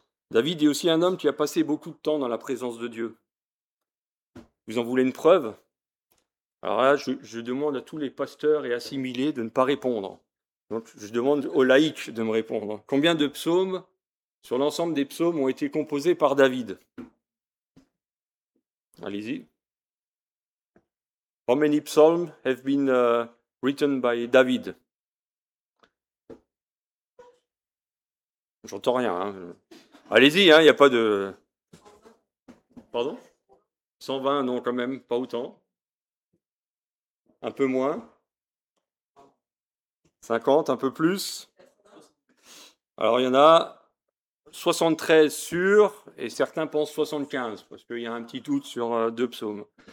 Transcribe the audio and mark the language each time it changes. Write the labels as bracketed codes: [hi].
[fr] David est aussi un homme qui a passé beaucoup de temps dans la présence de Dieu. Vous en voulez une preuve ? Alors là, je demande à tous les pasteurs et assimilés de ne pas répondre. Donc, je demande aux laïcs de me répondre. Combien de psaumes, sur l'ensemble des psaumes, ont été composés par David ? Allez-y. [en] How many psalms have been written by David ? [fr] J'entends rien. Hein. Allez-y, hein, il n'y a pas de... Pardon ? 120, non, quand même, pas autant. Un peu moins. 50, un peu plus. Alors, il y en a 73 sur, et certains pensent 75, parce qu'il y a un petit doute sur deux psaumes.